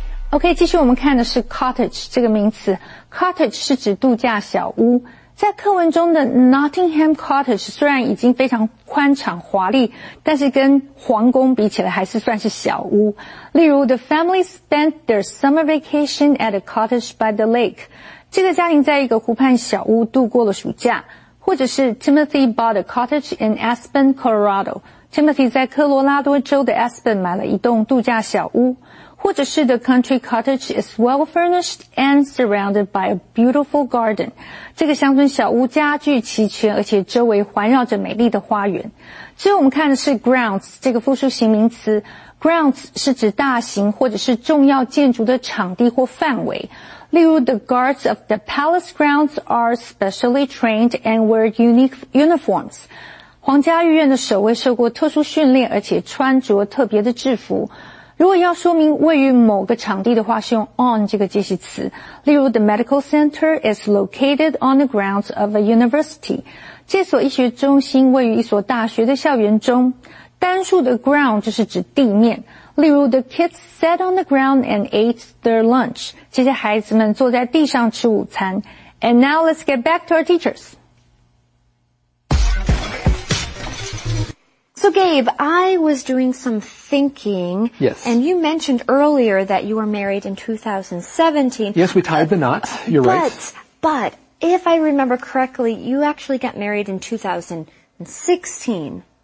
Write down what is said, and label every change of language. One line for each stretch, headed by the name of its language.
Chinese: OK, 继续我们看的是 cottage 这个名词。cottage 是指度假小屋。在课文中的 Nottingham Cottage 虽然已经非常宽敞华丽，但是跟皇宫比起来还是算是小屋。例如
English: ,the family spent their summer vacation at a cottage by the lake.
Chinese: 这个家庭在一个湖畔小屋度过了暑假。或者是
English: Timothy bought a cottage in Aspen, Colorado.
Chinese: Timothy 在科罗拉多州的 Aspen 买了一栋度假小屋。或者是
English: the country cottage is well furnished and surrounded by a beautiful garden.
Chinese: 这个乡村小屋家具齐全，而且周围环绕着美丽的花园。之后我们看的是 grounds, 这个复数形名词。grounds 是指大型或者是重要建筑的场地或范围。例如
English: the guards of the palace grounds are specially trained and wear unique uniforms.
Chinese: 皇家御苑的守卫受过特殊训练，而且穿着特别的制服。如果要说明位于某个场地的话，是用 on 这个介系词。例如
English: ,the medical center is located on the grounds of a university.
Chinese: 这所医学中心位于一所大学的校园中。单数的 ground 就是指地面。例如,
English: the kids sat on the ground and ate their lunch.
Chinese: 这些孩子们坐在地上吃午餐.
English: And now let's get back to our teachers. So Gabe, I was doing some thinking. Yes. And you mentioned earlier that you were married in 2017. Yes, we tied the knot. You're right. But if I remember correctly, you actually got married in 2016.